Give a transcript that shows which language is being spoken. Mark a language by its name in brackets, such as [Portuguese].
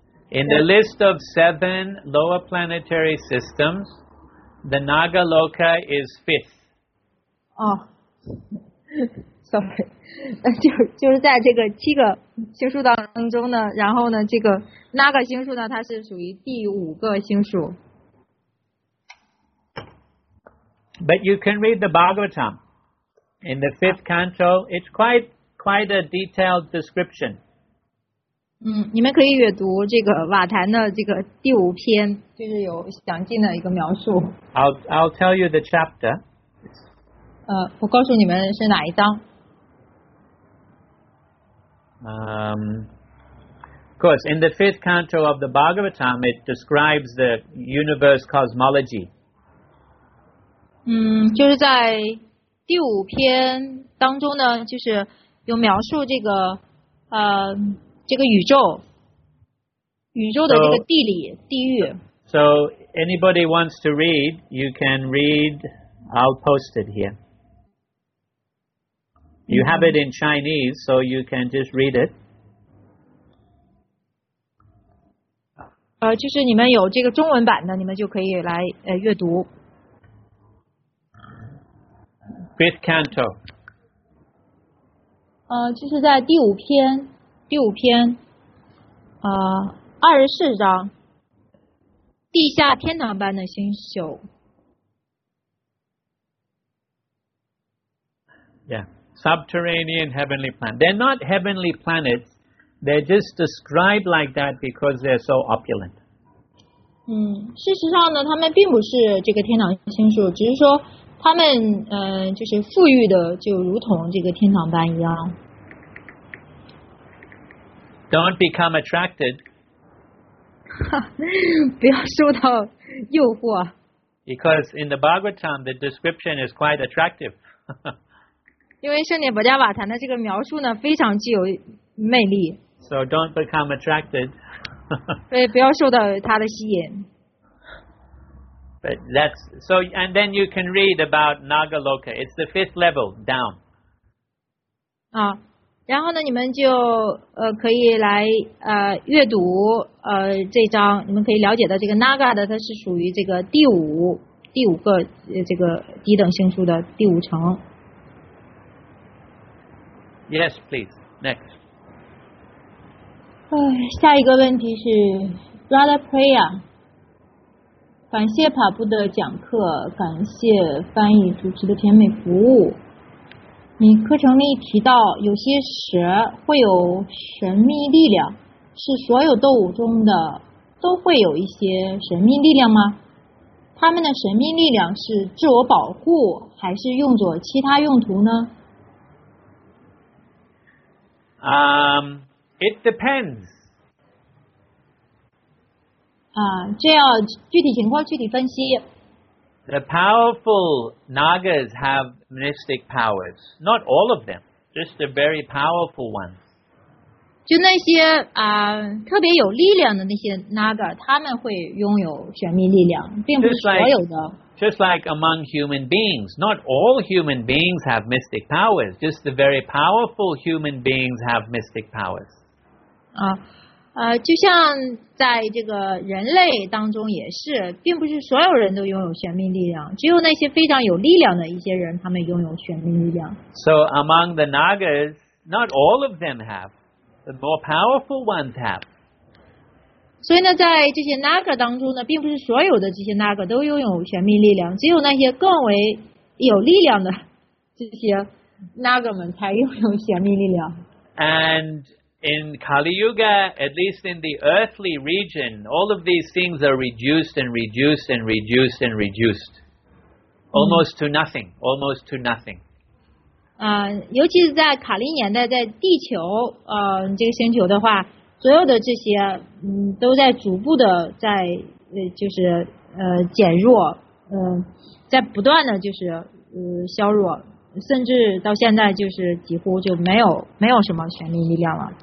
[English] In the list of seven lower planetary systems, the Naga Loka is fifth. Sorry, [Chinese] 就是在这个七个星宿当中呢，然后呢，这个那个星宿呢，它是属于第五个星宿。 [English] But you can read the Bhagavatam in the fifth canto. It's quite a detailed description. [Chinese] 你们可以阅读这个瓦坛的这个第五篇，就是有详尽的一个描述。 [English] I'll tell you the chapter. [Chinese] 我告诉你们是哪一章。 [English] Of course, in the fifth canto of the Bhagavatam, it describes the universe cosmology. [Chinese] 就是在第五篇当中呢，就是有描述这个这个宇宙的这个地理 [English] so, [Chinese] 地域。 [English] So anybody wants to read, you can read. I'll post it here. You have it in Chinese, so you can just read it. [Chinese] 就是你们有这个中文版的，你们就可以来阅读。 [English] Fifth canto. [Chinese] 就是在第五篇，24章，地下天堂般的星宿。 [English] Yeah. Subterranean heavenly planet. They're not heavenly planets. They're just described like that because they're so opulent. [Chinese] 事实上呢，他们并不是这个天堂星宿，只是说他们就是富裕的，就如同这个天堂般一样。 [English] Don't become attracted. [Chinese] 不要受到诱惑。 [English] Because in the Bhagavatam, the description is quite attractive. [Chinese] 因为圣典伯加瓦坛的这个描述呢，非常具有魅力。 [English] So don't become attracted. [Chinese] 对，不要受到它的吸引。 [English] But that's so, and then you can read about Naga Loka. It's the fifth level down. [Chinese] 然后呢，你们就可以来阅读这章，你们可以了解到这个 Naga 的它是属于这个第五个这个低等星宿的第五层。 [English] Yes, please. Next. [Chinese] 下一个问题是 Radha Priya. 感谢跑步的讲课，感谢翻译主持的甜美服务。你课程里提到有些蛇会有神秘力量，是所有动物中的都会有一些神秘力量吗？它们的神秘力量是自我保护，还是用作其他用途呢？ [English] It depends. [Chinese] 这要具体情况具体分析。 [English] The powerful Nagas have mystic powers. Not all of them, just the very powerful ones. [Chinese] 就那些特别有力量的那些 Naga, 他们会拥有神秘力量，并不是所有的。 [English] Just like among human beings, not all human beings have mystic powers. Just the very powerful human beings have mystic powers. [Chinese] 就像在这个人类当中也是，并不是所有人都拥有玄秘力量，只有那些非常有力量的一些人，他们拥有玄秘力量。 [English] So among the Nagas, not all of them have. The more powerful ones have. [Chinese] 所以呢，在这些 Naga 当中呢，并不是所有的这些 Naga 都拥有玄秘力量，只有那些更为有力量的这些那个们才拥有显密力量。 [English] And in Kali Yuga, at least in the earthly region, all of these things are reduced and reduced and reduced and reduced. Almost to nothing, almost to nothing. [Chinese] 尤其是在卡利年代，在地球，这个星球的话，所有的这些，都在逐步的在，就是减弱，在不断的就是削弱，甚至到现在就是几乎就没有什么权力力量了。